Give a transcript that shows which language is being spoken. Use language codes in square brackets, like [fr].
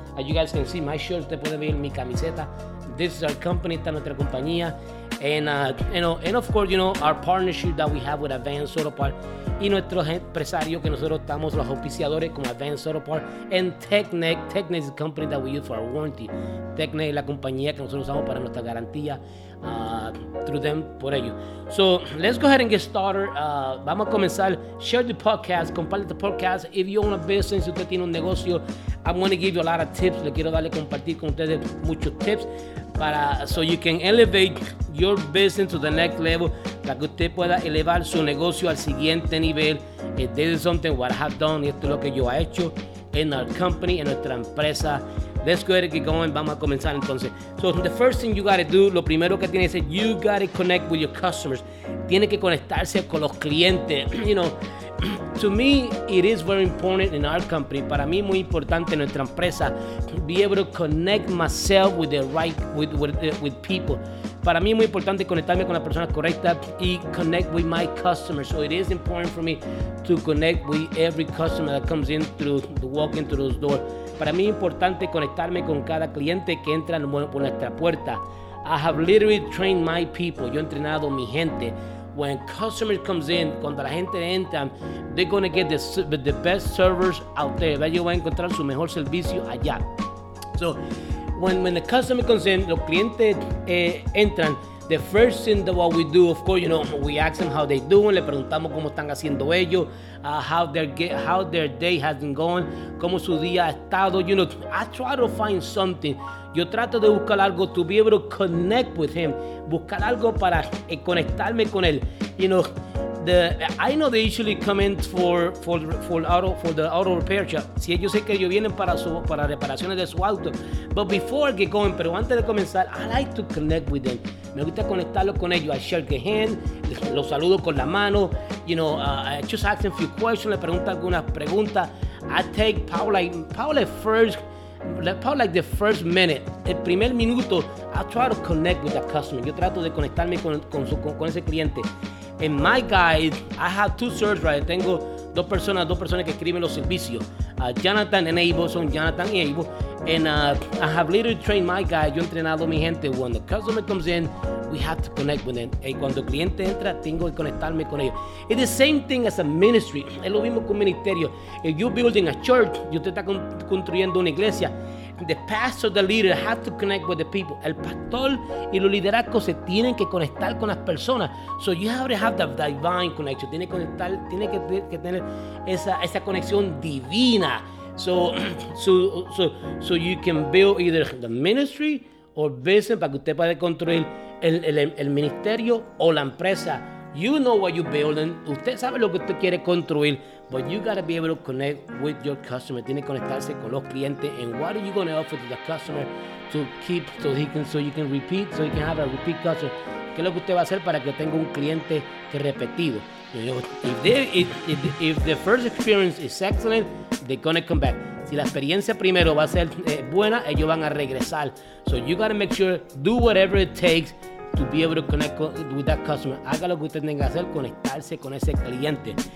[en] As you guys can see, my shirt, [es] usted puede ver mi camiseta. [en] This is our company, [es] esta nuestra compañía. [en] And of course, you know, our partnership that we have with Advance Auto Part [es] y nuestros empresarios que nosotros estamos, los auspiciadores como [en] Advance Auto Part and Technic. Technic is the company that we use for our warranty. [es] Technic es la compañía que nosotros usamos para nuestra garantía [en] through them, [es] por ello. [en] So, let's go ahead and get started. [es] Vamos a comenzar. [en] Share the podcast, [es] comparte [en] the podcast. If you own a business, [es] si usted tiene un negocio, [en] I'm going to give you a lot of tips. [es] Le quiero darle compartir con ustedes muchos tips para, [en] so you can elevate your business to the next level, [es] para que usted pueda elevar su negocio al siguiente nivel. [en] This is something what I have done, [es] y esto es lo que yo he hecho en [en] our company, [es] en nuestra empresa. [en] Let's go ahead and get going. [es] Vamos a comenzar entonces. [en] So the first thing you got to do, [es] lo primero que tiene que hacer, [en] you got to connect with your customers. [es] Tiene que conectarse con los clientes. [en] You know, to me, it is very important in our company. [es] Para mí, muy importante en nuestra empresa, [en] be able to connect myself with the right, with people. [es] Para mí, muy importante conectarme con la persona correcta y [en] connect with my customers. So it is important for me to connect with every customer that comes in through the walk-in through those doors. [es] Para mí, importante conectarme con cada cliente que entra por nuestra puerta. [en] I have literally trained my people. [es] Yo he entrenado mi gente. [en] When customers comes in, [es] cuando la gente entra, [en] they're going to get the best servers out there. [es] Ellos van a encontrar su mejor servicio allá. [en] So, when the customer comes in, [es] los clientes entran, [en] the first thing that what we do, of course, you know, we ask them how they doing, [es] le preguntamos cómo están haciendo ellos, [en] how their day has been going, [es] cómo su día ha estado. [en] You know, I try to find something. [es] Yo trato de buscar algo [en] to be able to connect with him. [es] Buscar algo para conectarme con él. [en] You know, I know they usually come in for the auto repair shop. [es] Si ellos sé que ellos vienen para reparaciones de su auto. [en] But before I get going, [es] pero antes de comenzar, [en] I like to connect with them. [es] Me gusta conectarlo con ellos. [en] I shake the hand, [es] los saludo con la mano. [en] You know, I just ask them a few questions, [es] le pregunto algunas preguntas. [en] I take probably the first minute, [es] el primer minuto, [en] I try to connect with the customer. [es] Yo trato de conectarme con ese cliente. [en] And my guys, I have two servers, right? [es] Tengo dos personas que escriben los servicios. Jonathan and Abel, son Jonathan y Abel. [en] And I have literally trained my guys. [es] Yo he entrenado a mi gente. [en] When the customer comes in, we have to connect with them. [es] Y cuando el cliente entra, tengo que conectarme con ellos. [en] It's the same thing as a ministry. [es] Es lo mismo que un ministerio. [en] If you're building a church, [es] y usted está construyendo una iglesia, [en] the pastor, the leader, have to connect with the people. [es] El pastor y los liderazgos se tienen que conectar con las personas. [en] So you have to have that divine connection. [es] Tiene que tener esa conexión divina. [en] So you can build either the ministry or business, [es] para que usted pueda construir el ministerio o la empresa. [en] You know what you're building. [es] Usted sabe lo que usted quiere construir. [en] But you got to be able to connect with your customer. [es] Tiene que conectarse con los clientes. [en] And what are you going to offer to the customer to keep so you can have a repeat customer? [es] ¿Qué es lo que usted va a hacer para que tenga un cliente que repetido? [en] You know, if the first experience is excellent, they're going to come back. [es] Si la experiencia primero va a ser buena, ellos van a regresar. [en] So you got to make sure, do whatever it takes to be able to connect with that customer. [es] Haga lo que usted tenga que hacer, conectarse con ese cliente.